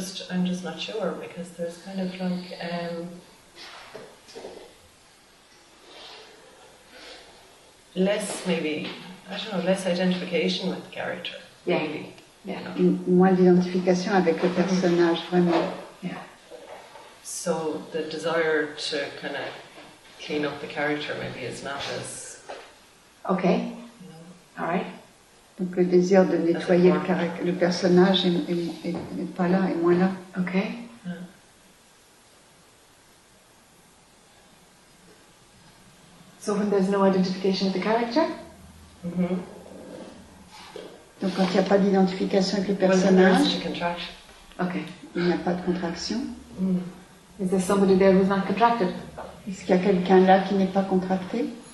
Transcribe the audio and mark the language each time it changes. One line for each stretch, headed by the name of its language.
English: I'm just not sure, because there's kind of like less, maybe, I don't know, less identification with the character. Yeah. Maybe. Yeah.
French: Moins d'identification avec le personnage, vraiment.
English: Yeah. So the desire to kind of clean up the character maybe is not as. Okay. You know, all right.
French: Donc le désir de nettoyer le personnage n'est pas là, est moins là.
English: Ok. Yeah. So when there's no identification with the character?
French: Donc quand il n'y a pas d'identification avec le personnage,
English: okay.
French: Il n'y a pas de contraction.
English: Is there somebody there who's not contracted?
French: Est-ce qu'il y a quelqu'un là qui n'est pas contracté?